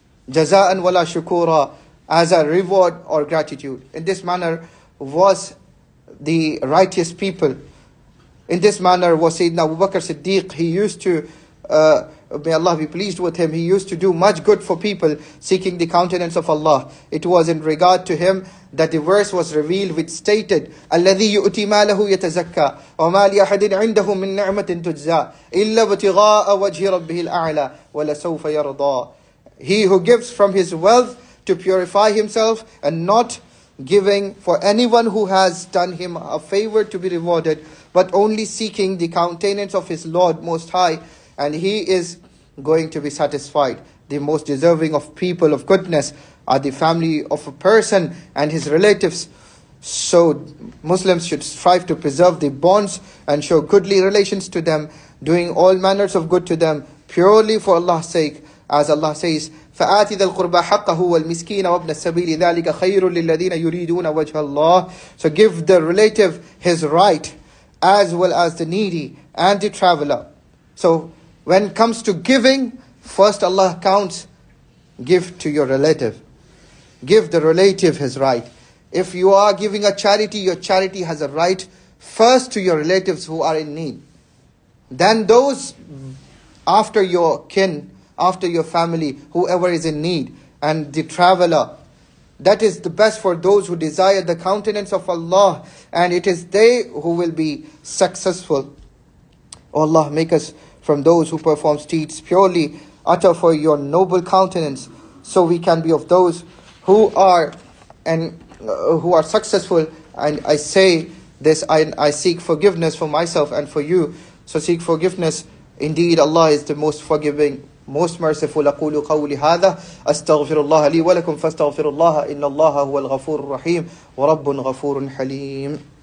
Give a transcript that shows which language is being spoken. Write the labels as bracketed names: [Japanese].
[Arabic] Jaza'an wala shukura. [English] As a reward or gratitude. In this manner was the righteous people. In this manner was Sayyidina Abu Bakr Siddiq. He used to, may Allah be pleased with him, he used to do much good for people seeking the countenance of Allah. It was in regard to him that the verse was revealed which stated, [Arabic] الَّذِي يُؤْتِي مَالَهُ يَتَزَكَّى وَمَا لِأَحَدٍ عِنْدَهُ مِنْ نِعْمَةٍ تُجْزَى إِلَّا بَتِغَاءَ وَجْهِ رَبِّهِ الْأَعْلَى وَلَسَوْفَ يَرْضَى. [English] He who gives from his wealth to purify himself and not giving for anyone who has done him a favor to be rewarded, but only seeking the countenance of his Lord Most High, and he is going to be satisfied. The most deserving of people of goodness are the family of a person and his relatives. So Muslims should strive to preserve the bonds and show goodly relations to them, doing all manners of good to them purely for Allah's sake. As Allah says, [Arabic] فَآتِ ذَا الْقُرْبَى حَقَّهُ وَالْمِسْكِينَ وَابْنَ السَّبِيلِ ذَلِكَ خَيْرٌ لِلَّذِينَ يُرِيدُونَ وَجْهَ اللَّهِ. [English] So give the relative his right, as well as the needy and the traveler. So when it comes to giving, first Allah counts, give to your relative. Give the relative his right. If you are giving a charity, your charity has a right first to your relatives who are in need. Then those after your kin, after your family, whoever is in need, and the traveler. That is the best for those who desire the countenance of Allah, and it is they who will be successful. O Allah, make us from those who perform deeds purely utter for your noble countenance, so we can be of those who are and who are successful. And I say this, I seek forgiveness for myself and for you. So seek forgiveness. Indeed, Allah is the most forgiving, most merciful. [Arabic] أقول قولي هذا أستغفر الله لي ولكم فاستغفر الله إن الله هو الغفور الرحيم ورب غفور حليم.